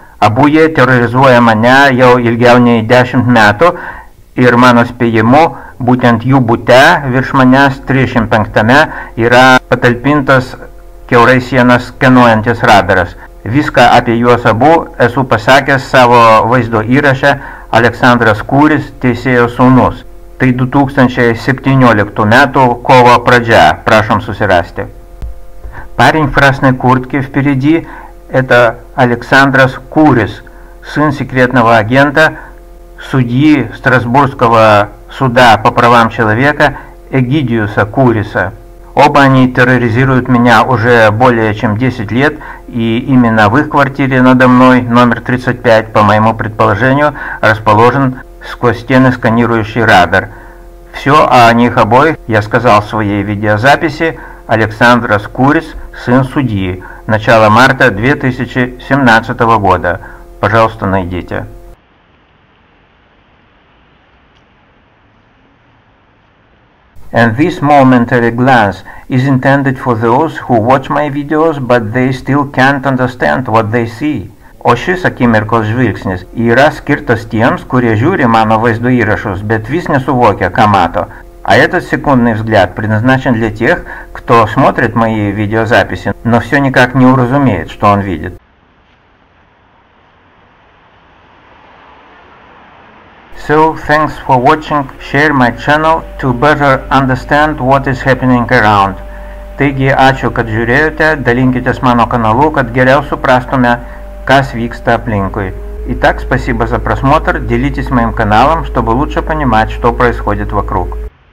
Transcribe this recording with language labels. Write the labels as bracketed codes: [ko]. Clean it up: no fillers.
[lt] Abu jie terorizuoja mane jau ilgiau nei 10 metų ir mano spėjimu, būtent jų bute virš manęs 35-ame yra patalpintas kiaurai sienas skenuojantis radaras. Viską apie juos abu esu pasakęs savo vaizdo įraše Aleksandras Kouris, teisėjo sūnus. Tai 2017 metų kovo pradžia, prašom susirasti. [ru] Парень в красной куртке впереди – это Александрос Курис, сын секретного агента, судьи Страсбургского суда по правам человека Эгидиуса Куриса. Оба они терроризируют меня уже более чем 10 лет, и именно в их квартире надо мной, номер 35, по моему предположению, расположен сквозь стены сканирующий радар. Все о них обоих я сказал в своей видеозаписи. Александрос Курис, сын судьи. Начало марта 2017 года. Пожалуйста, найдите. [en] And this momentary glance is intended for those who watch my videos, but they still can't understand what they see. [lt] O šis akimirkos žvilgsnis yra skirtas tiems, kurie žiūri mano vaizdo įrašus, bet vis nesuvokia, ką mato. [ru] А этот секундный взгляд предназначен для тех, кто смотрит мои видеозаписи, но все никак не уразумеет, что он видит. [en] So, thanks for watching. Share my channel to better understand what is happening around. [lt] Taigi, ačiū, kad žiūrėjote, dalinkitės mano kanalu, kad geriau suprastume, kas vyksta aplinkui. [ru] Итак, спасибо за просмотр, делитесь моим каналом, чтобы лучше понимать, что происходит вокруг.